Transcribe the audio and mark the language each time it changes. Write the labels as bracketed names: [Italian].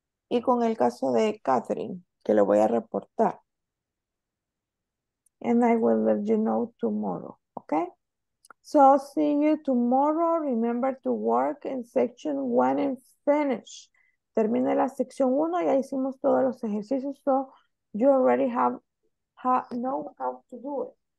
[Spanish] Y con el caso de Catherine, que lo voy a reportar. [English] And I will let you know tomorrow, okay? So I'll see you tomorrow. Remember to work in section one and finish. [Spanish] Termine la sección uno, ya hicimos todos los ejercicios. [English] So you already know how to do it.